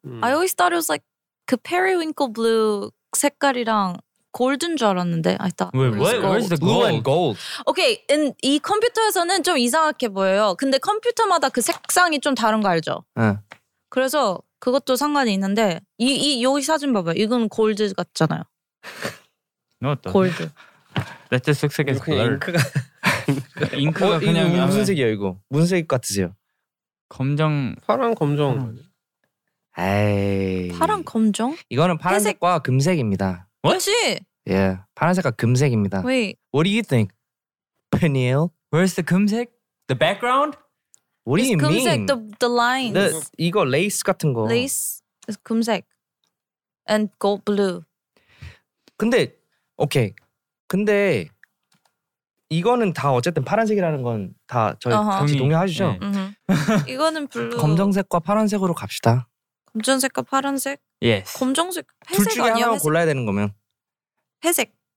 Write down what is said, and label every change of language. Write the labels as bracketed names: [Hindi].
[English] I always thought it was like [Korean] 그 페리윙클 블루 색깔이랑 골든 줄 알았는데 [English] I thought Wait, what? Where is the gold? Blue and gold. [Korean] Okay, 이 컴퓨터에서는 좀 이상하게 보여요. 근데 컴퓨터마다 그 색상이 좀 다른 거 알죠? 그래서 그것도 상관이 있는데 이 여기 사진 봐봐요. 이건 골드 같잖아요. 골드. [English] That just looks like a color. [Korean] 잉크가 그냥 이거 무슨 색이에요 이거? 무슨 색 같으세요? 검정 파란 검정 파란 검정? 이거는 파란색과 회색? 금색입니다. 뭐지? 예, yeah, 파란색과 금색입니다. [English] Wait, what do you think, Peniel? Where's the 금색? The background? What do you [Korean] 금색, [English] mean? 금색, the lines. [Korean] The 이거 레이스 같은 거. [English] 레이스, is 금색, and gold blue. [Korean] 근데, okay. 근데 이거는 다 어쨌든 파란색이라는 건 다 저희 같이 동의하시죠? 네. 이거는 블루. 검정색과 파란색으로 갑시다. 검정색과 파란색? [English] Yes. [Korean] 검정색, 회색 아니야? 둘 중에 하나 골라야 되는 거면. 회색.